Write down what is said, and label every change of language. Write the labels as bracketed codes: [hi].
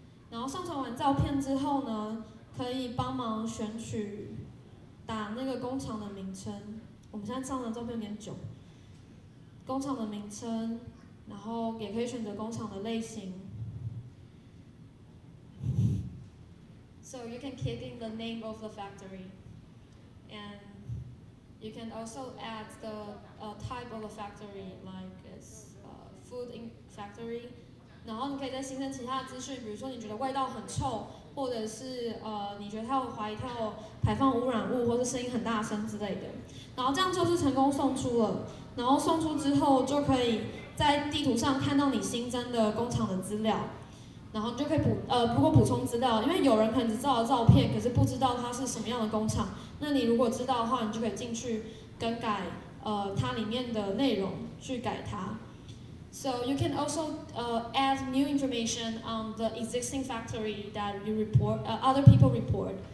[zh] 然后上传完照片之后呢，可以帮忙选取打那个工厂的名称，我们现在上传照片有点久，工厂的名称，然后也可以选择工厂的类型。 [en] So you can key in the name of the factory, and you can also add the type of the factory, like it's food in factory. [zh] 然后你可以再新增其他的资讯，比如说你觉得味道很臭，或者是你觉得它有怀疑它有排放污染物，或是声音很大声之类的。然后这样就是成功送出了，然后送出之后就可以在地图上看到你新增的工厂的资料。然后你就可以补充资料，因为有人可能只知道照片，可是不知道它是什么样的工厂。那你如果知道的话，你就可以进去更改它里面的内容，去改它。 [en] So you can also add new information on the existing factory that you report, other people report.